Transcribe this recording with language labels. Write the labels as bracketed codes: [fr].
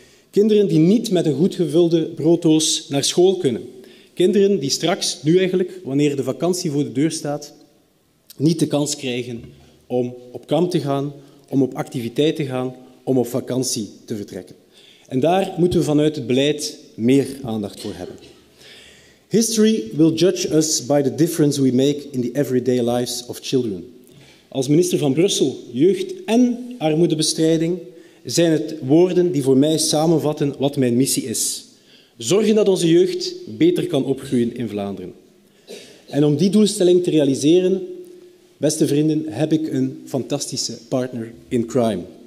[nl] Kinderen die niet met een goed gevulde brooddoos naar school kunnen. Kinderen die straks, nu eigenlijk, wanneer de vakantie voor de deur staat, niet de kans krijgen om op kamp te gaan, om op activiteit te gaan, om op vakantie te vertrekken. En daar moeten we vanuit het beleid meer aandacht voor hebben. [en] History will judge us by the difference we make in the everyday lives of children. [nl] Als minister van Brussel, jeugd en armoedebestrijding zijn het woorden die voor mij samenvatten wat mijn missie is. Zorgen dat onze jeugd beter kan opgroeien in Vlaanderen. En om die doelstelling te realiseren, beste vrienden, heb ik een fantastische [en] partner in crime.